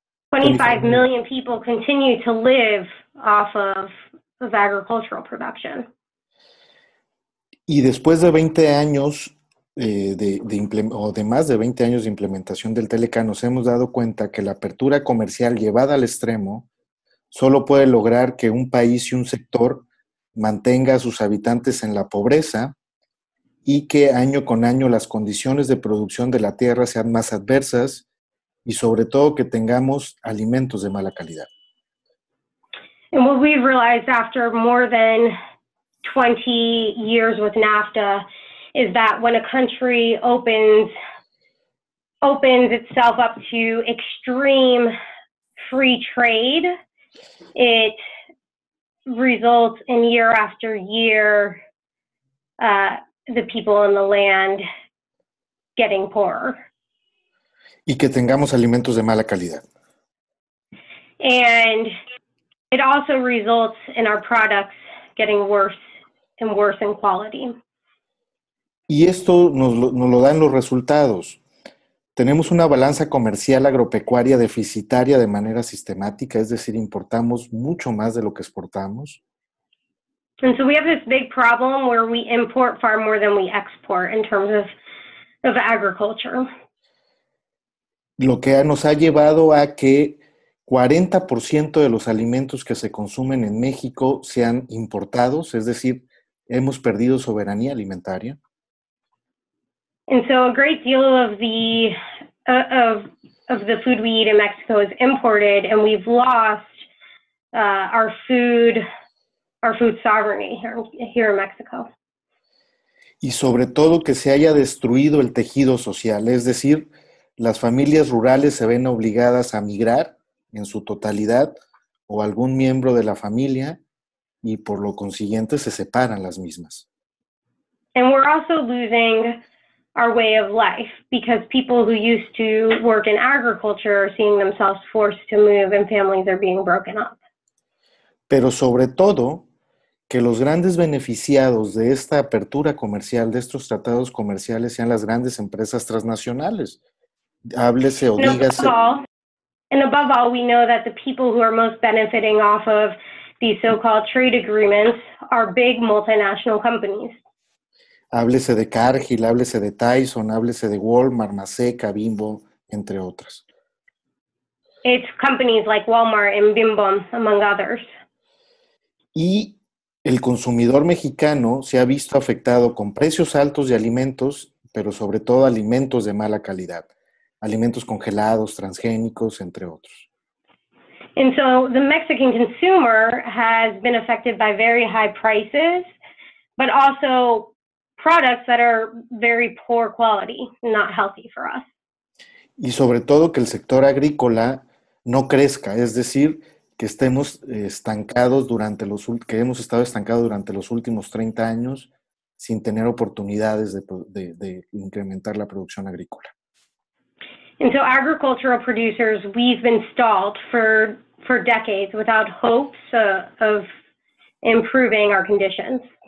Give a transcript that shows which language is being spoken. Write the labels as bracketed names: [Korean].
[English] 25 million people continue to live off of agricultural production. [Spanish] Y después de 20 años de más de 20 años de implementación del Telecan, nos hemos dado cuenta que la apertura comercial llevada al extremo solo puede lograr que un país y un sector mantenga a sus habitantes en la pobreza y que año con año las condiciones de producción de la tierra sean más adversas y sobre todo que tengamos alimentos de mala calidad. [English] And what we've realized after more than 20 years with NAFTA is that when a country opens itself up to extreme free trade, it results in year after year, the people on the land getting poorer. [Spanish] Y que tengamos alimentos de mala calidad. [English] And it also results in our products getting worse and worse in quality. [Spanish] Y esto nos lo dan los resultados. Tenemos una balanza comercial agropecuaria deficitaria de manera sistemática, es decir, importamos mucho más de lo que exportamos. [English] And so we have this big problem where we import far more than we export in terms of agriculture. [Spanish] Lo que nos ha llevado a que 40% de los alimentos que se consumen en México sean importados, es decir, hemos perdido soberanía alimentaria. [English] And so a great deal of the of the food we eat in Mexico is imported, and we've lost our food sovereignty here in Mexico. [Spanish] Y sobre todo que se haya destruido el tejido social, es decir, las familias rurales se ven obligadas a migrar en su totalidad o algún miembro de la familia y por lo consiguiente se separan las mismas. [English] And we're also losing our way of life because people who used to work in agriculture are seeing themselves forced to move and families are being broken up. [Spanish] Pero sobre todo que los grandes beneficiados de esta apertura comercial, de estos tratados comerciales, sean las grandes empresas transnacionales. Háblese o dígase. [English] And above all, we know that the people who are most benefiting off of these so-called trade agreements are big multinational companies. [Spanish] Háblese de Cargill, háblese de Tyson, háblese de Walmart, Maseca, Bimbo, entre otras. [English] It's companies like Walmart and Bimbo, among others. [Spanish] Y el consumidor mexicano se ha visto afectado con precios altos de alimentos, pero sobre todo alimentos de mala calidad, alimentos congelados, transgénicos, entre otros. [English] And so the Mexican consumer has been affected by very high prices, but also products that are very poor quality, not healthy for us. [Spanish] Y sobre todo que el sector agrícola no crezca, es decir, que estemos estancados durante los que hemos estado estancados durante los últimos 30 años sin tener oportunidades de incrementar la producción agrícola. [English] And so agricultural producers, we've been stalled for decades without hopes of improving our conditions.